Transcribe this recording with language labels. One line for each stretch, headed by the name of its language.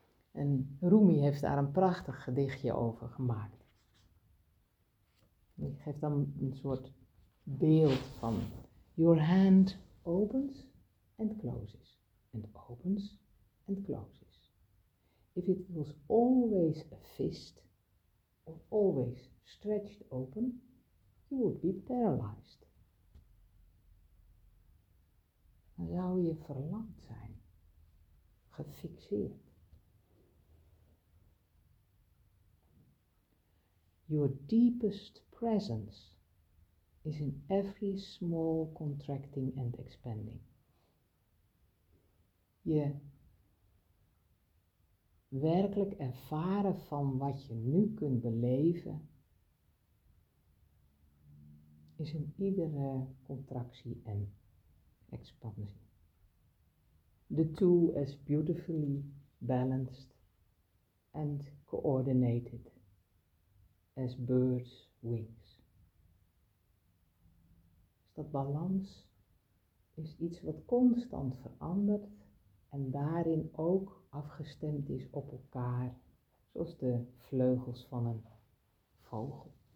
Dutch: En Rumi heeft daar een prachtig gedichtje over gemaakt. Die geeft dan een soort beeld van
English: your hand opens and closes and opens and closes. If it was always a fist, or always stretched open, you would be paralyzed.
Dutch: Dan zou je verlamd zijn, gefixeerd.
English: Your deepest presence is in every small contracting and expanding.
Dutch: Je werkelijk ervaren van wat je nu kunt beleven, is in iedere contractie en expansie.
English: The two as beautifully balanced and coordinated as birds' wings.
Dutch: Dus dat balans is iets wat constant verandert en daarin ook afgestemd is op elkaar, zoals de vleugels van een vogel.